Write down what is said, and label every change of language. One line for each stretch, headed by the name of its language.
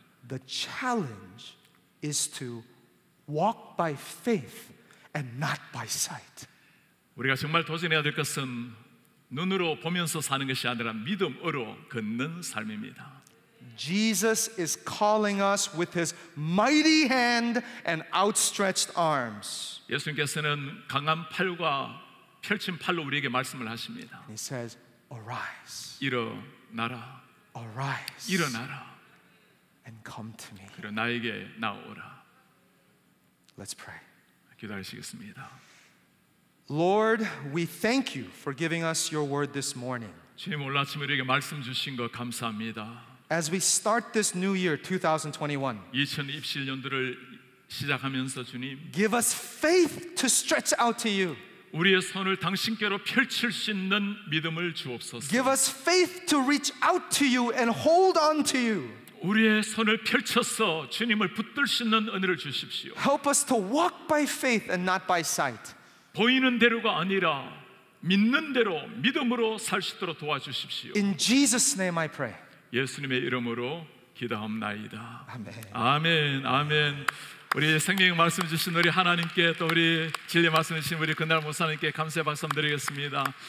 English: The challenge is to walk by faith and not by sight.
Korean: 우리가 정말 도전해야 될 것은 눈으로 보면서 사는 것이 아니라 믿음으로 걷는 삶입니다.
English: Jesus is calling us with his mighty hand and outstretched arms.
Korean: 예수님께서는 강한 팔과 펼친 팔로 우리에게 말씀을 하십니다.
English: He says, "Arise."
Korean: 일어나라.
English: Arise.
Korean: 일어나라.
English: And come to me.
Korean: 그러 나에게 나오라.
English: Let's pray.
Korean: 기도하시겠습니다.
English: Lord, we thank you for giving us your word this morning.
Korean: 주님, 오늘 아침에 우리에게 말씀 주신 거 감사합니다.
English: As we start this new year 2021.
Korean: 2021년도를 시작하면서 주님,
English: give us faith to stretch out to you.
Korean: 우리의 손을 당신께로 펼칠 수 있는 믿음을 주옵소서.
English: Give us faith to reach out to you and hold on to you.
Korean: 우리의 손을 펼쳐서 주님을 붙들 수 있는 은혜를 주십시오.
English: Help us to walk by faith and not by sight.
Korean: 보이는 대로가 아니라 믿는 대로 믿음으로 살 수 있도록 도와주십시오.
English: In Jesus' name I pray.
Korean: 예수님의 이름으로 기도합니다. 아멘. 아멘. 아멘. 우리 생명의 말씀 주신 우리 하나님께 또 우리 진리 말씀 주신 우리 그날 목사님께 감사의 박수 드리겠습니다.